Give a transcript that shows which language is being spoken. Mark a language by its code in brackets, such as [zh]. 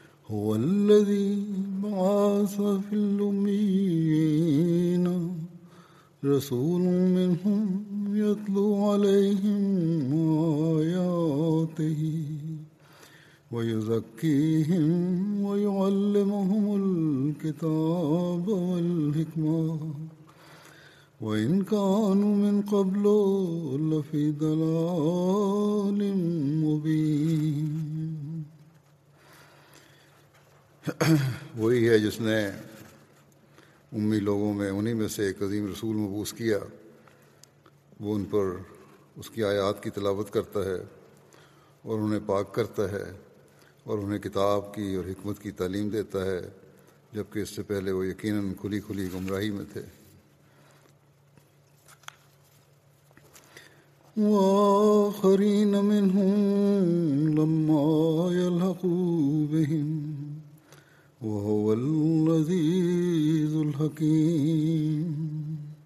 [ar] هو الذي بعث في الأميين رسول منهم يتلو عليهم آياته ويزكيهم ويعلمهم الكتاب والحكمة وإن كانوا من قبل لفي ضلال مبين [ur] وہی ہے جس نے امی لوگوں میں انہی میں سے ایک عظیم رسول مبعوث کیا, وہ ان پر اس کی آیات کی تلاوت کرتا ہے اور انہیں پاک کرتا ہے اور انہیں کتاب کی اور حکمت کی تعلیم دیتا ہے, جبکہ اس سے پہلے وہ یقیناً کھلی کھلی گمراہی میں تھے. [ar] وآخرین منہم لما یلحقوا بہم وهو العزيز الحكيم.